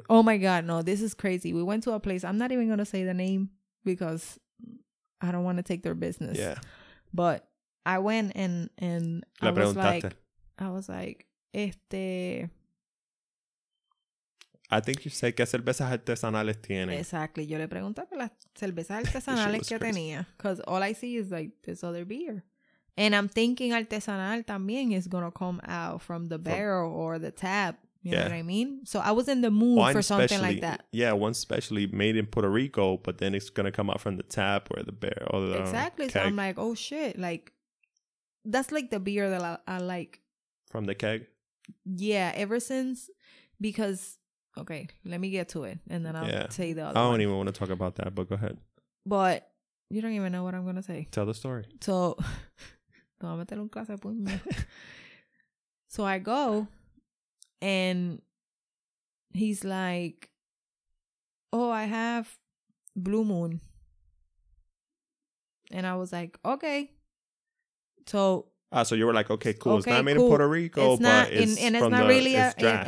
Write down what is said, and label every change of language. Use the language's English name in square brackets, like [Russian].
[English] Oh my God, no, this is crazy. We went to a place. I'm not even going to say the name because I don't want to take their business. Yeah. But I went and I was like, este. I think you said, [Spanish] ¿qué cervezas artesanales tiene? [English] Exactly. [Spanish] Yo le pregunté por las cervezas artesanales que tenía. [English] Because all I see is like this other beer. And I'm thinking artesanal [Spanish] también [English] is going to come out from the barrel or the tap. You know what I mean? So I was in the mood wine for something like that. Yeah, one specially made in Puerto Rico, but then it's going to come out from the tap or the barrel. Or the, exactly. So I'm like, oh shit. Like, that's like the beer that I like. From the keg? Yeah, ever since. Because, okay, let me get to it. And then I'll say the other one. I don't even want to talk about that, but go ahead. But you don't even know what I'm going to say. Tell the story. [Spanish] So, te voy a meter un clase de puño. [English] So I go. And he's like, oh, I have Blue Moon. And I was like, okay. So. So you were like, okay, cool. Okay, it's not made cool. in Puerto Rico, it's not, but it's from not the, really it's draft.